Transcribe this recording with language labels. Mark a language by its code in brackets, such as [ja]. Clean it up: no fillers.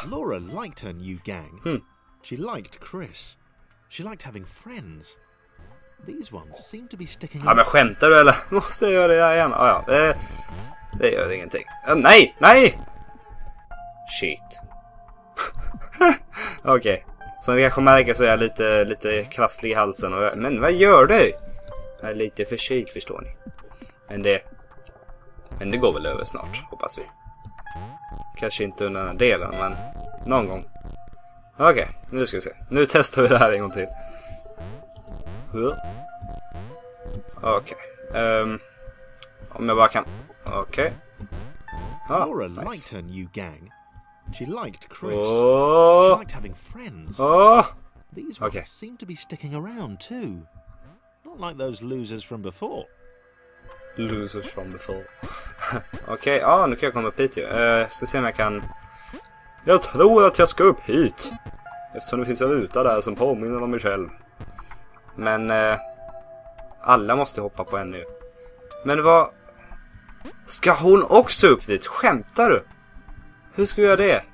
[en] Laura liked her new gang. She liked Chris. She liked having friends. These ones seem to be sticking. [sv] Ja, men skämtar du eller? Måste jag göra det här igen? Ah, ja. Det gör ingenting. Nej! Nej! Shit. Okej, okay. Som ni kanske märker så är jag lite krasslig i halsen. Och jag, men vad gör du? Jag är lite förkyld, förstår ni. Men det går väl över snart, hoppas vi. Kanske inte under den här delen, men någon gång. Okej, okay, nu ska vi se. Nu testar vi det här en gång till. Okej. Om jag bara kan. Okej. [en] Laura liked her new gang. She liked Chris. She liked having friends. These ones seem to be sticking around too. Not like those losers from before. Losers from before. Okej, okay. [sv] Ah, nu kan jag komma upp hit ju. Ska se om jag kan. Jag tror att jag ska upp hit. Eftersom det finns en ruta där som påminner om mig själv. Men alla måste hoppa på en nu. Men vad. Ska hon också upp dit? Skämtar du? Hur ska vi göra det?